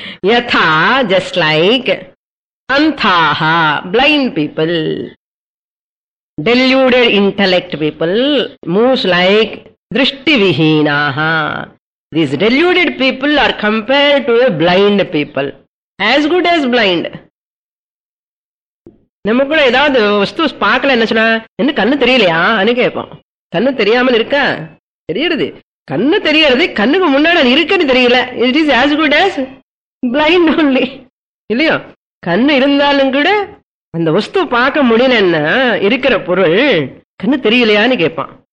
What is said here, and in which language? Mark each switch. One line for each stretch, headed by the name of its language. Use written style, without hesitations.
Sanskrit: யதா
English: just like
Sanskrit: அந்தாஹ
English: blind people, deluded intellect people, moves like
Sanskrit: திருஷ்டி விஹீனாஹ.
English: These deluded people are compared to a blind people. As good as blind.
Tamil: நமக்குள்ள ஏதாவது வஸ்து பார்க்கல என்ன சொன்னா, என்ன கண்ணு தெரியலையா அனு கேட்போம். கண்ணு தெரியாமல் இருக்கா? தெரியறது, கண்ணு தெரியறது, கண்ணுக்கு முன்னாடி இருக்குன்னு தெரியல.
English: it is as good as blind only
Tamil: இல்லையோ. கண்ணு இருந்தாலும் கூட அந்த வஸ்து பார்க்க முடியல, என்ன இருக்கிற பொருள் கண்ணு தெரியலையான்னு கேட்பான்.